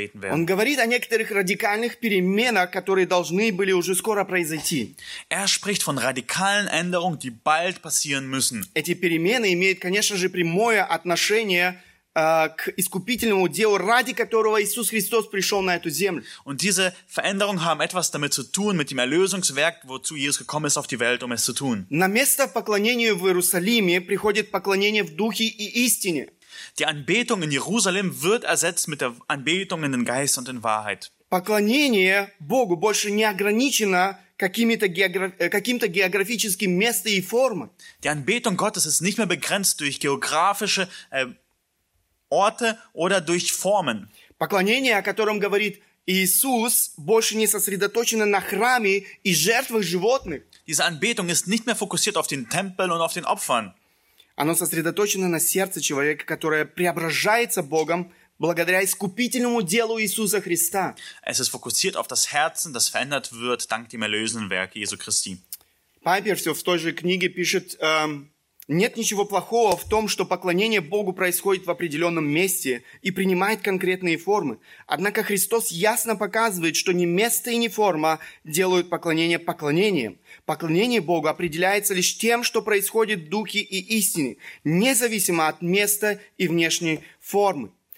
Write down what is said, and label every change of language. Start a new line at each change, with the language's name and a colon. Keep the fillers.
Russian: Он говорит о некоторых радикальных переменах, которые должны были уже скоро произойти.
German: Er spricht von radikalen Änderungen, die bald passieren müssen.
Russian: Эти перемены имеют, конечно же, прямое отношение к к искупительному делу, ради которого Иисус Христос пришел на эту землю.
German: Und diese Veränderung haben etwas damit zu tun, mit dem Erlösungswerk, wozu Jesus gekommen ist auf die Welt, um es zu tun.
Russian: На место поклонения в Иерусалиме приходит поклонение в духе и истине.
German: Die Anbetung in Jerusalem wird ersetzt mit der Anbetung in den Geist und in Wahrheit.
Russian: Поклонение Богу больше не ограничено какими-то географ... каким географическими местами и формами.
German: Die Anbetung Gottes ist nicht mehr begrenzt durch geografische äh, Orte oder durch Formen.
Russian: Поклонение, о котором говорит Иисус, больше не сосредоточено на храме и жертвах животных.
German: Diese Anbetung ist nicht mehr fokussiert auf den Tempel und auf den Opfern.
Russian: Оно сосредоточено на сердце человека, которое преображается Богом благодаря искупительному делу Иисуса Христа.
German: Es ist fokussiert auf das Herzen, das verändert wird dank dem erlösenden Werk Jesu Christi.
Russian: Пайпер все в той же книге пишет, нет ничего плохого в том, что поклонение Богу происходит в определенном месте и принимает конкретные формы. Однако Христос ясно показывает, что ни место и ни форма делают поклонение поклонением. Поклонение Богу определяется лишь тем, что происходит в духе и истине, независимо от места и внешней формы.